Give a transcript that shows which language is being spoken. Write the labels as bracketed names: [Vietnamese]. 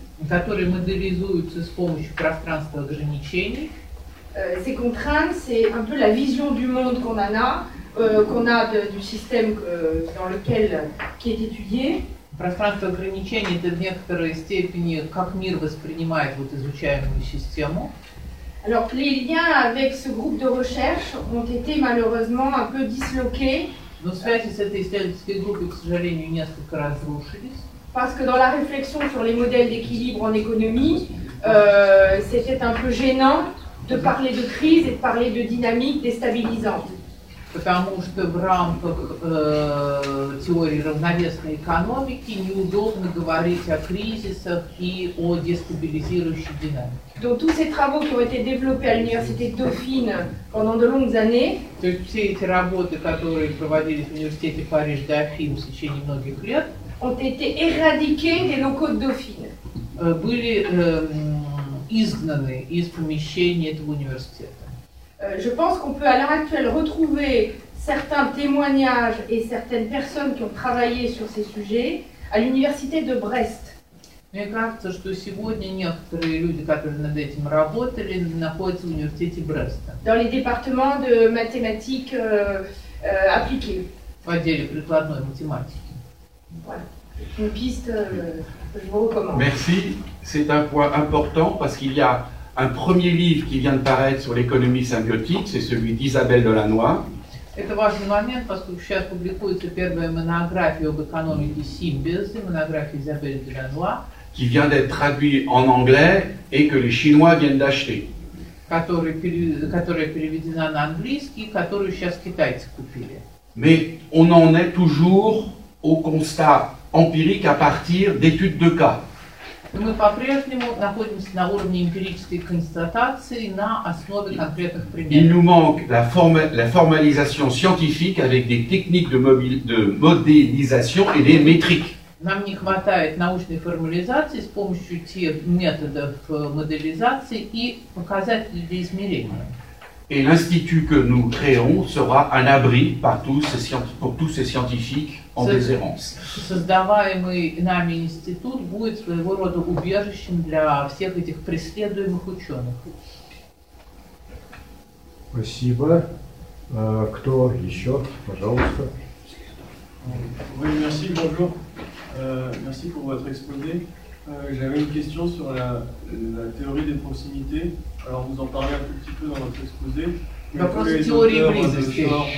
[Russian] Которые моделизуются с помощью пространства ограничений. [French] Ces contraintes, c'est un peu la vision du monde qu'on en a, qu'on a du système dans lequel qui est étudié. [Russian] Пространство ограничений это в некоторой степени как мир воспринимает вот изучаемую систему. [French] Alors les liens avec ce groupe de recherche ont été malheureusement un peu disloqués. [Russian] Но связи с этой исследовательской группой, к сожалению, несколько разрушились. [French] Parce que dans la réflexion sur les modèles d'équilibre en économie, c'était un peu gênant. De parler de crise et de parler de dynamique déstabilisante. [Russian] Потому что в рамках теории равновесной экономики неудобно говорить о кризисах и о дестабилизирующей динамике. [French] Donc tous ces travaux qui ont été développés à l'université Dauphine pendant de longues années. [Russian] То есть все эти работы, которые проводились в университете Париж-Дофин в течение многих лет, [French] ont été éradiqués des locaux de Dauphine. [Russian] Были изгнаны из помещения этого университета. [French] Je pense qu'on peut à l'heure actuelle retrouver certains témoignages et certaines personnes qui ont travaillé sur ces sujets à l'université de Brest. [Russian] Мне кажется, что сегодня некоторые люди, которые над этим работали, находятся в университете Бреста. [French] Dans les départements de mathématiques appliquées. [Russian] В отделе прикладной математики. [French] Voilà. Une piste, je vous recommande. Merci. C'est un point important parce qu'il y a un premier livre qui vient de paraître sur l'économie symbiotique, c'est celui d'Isabelle Delannoy. [Russian] Это важный момент, поскольку сейчас публикуется первая монография об экономике симбиоза, монография Изабель Делануа, [French] qui vient d'être traduit en anglais et que les Chinois viennent d'acheter. [Russian] Которая переведена на английский, которую сейчас китайцы купили. [French] Mais on en est toujours au constat empirique à partir d'études de cas. [Russian] Мы по-прежнему находимся на уровне эмпирической констатации на основе конкретных примеров. [French] Il nous manque la formalisation scientifique avec des techniques de modélisation et des métriques. [Russian] Нам не хватает научной формализации с помощью тех методов моделизации и показателей измерения. [French] Et l'institut que nous créons sera un abri pour tous ces scientifiques en déshérence. [Russian] Создаваемый нами институт будет своего рода убежищем для всех этих преследуемых ученых. Спасибо. Кто еще? Пожалуйста. [French] Oui, merci, bonjour. Merci pour votre exposé. J'avais une question sur la théorie des proximités. Alors vous en parlez un tout petit peu dans votre exposé. [Russian] Вопрос о теории близости.